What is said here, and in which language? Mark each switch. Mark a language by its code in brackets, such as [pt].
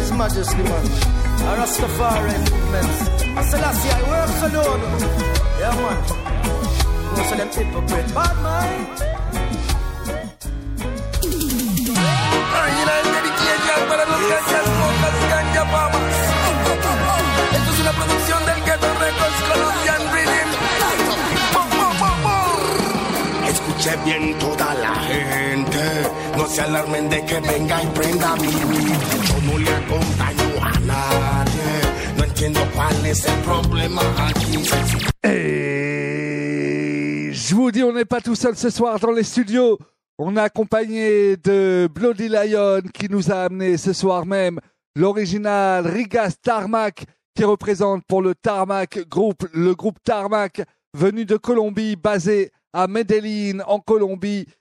[en] Majesty, man. A Rastafari movement. A Selassie, I work alone. Yeah, man. Most of them hypocrite. Bad mind. I ain't like medication, but I don't get that smoke as ganja bombs. [es] Esto es una producción del Ghetto Records, Colombian Rhythm. Escuche bien toda la gente, no se alarmen de que venga y prenda mi weed. Yo no le acompaño a nadie, no entiendo cuál es el problema aquí. [fr] Je vous dis, on n'est pas tout seul ce soir dans les studios. On est accompagné de Bloody Lion qui nous a amené ce soir même l'original Rigas Tarmac qui représente pour le Tarmac Group, le groupe Tarmac venu de Colombie, basé à Medellin, en Colombie.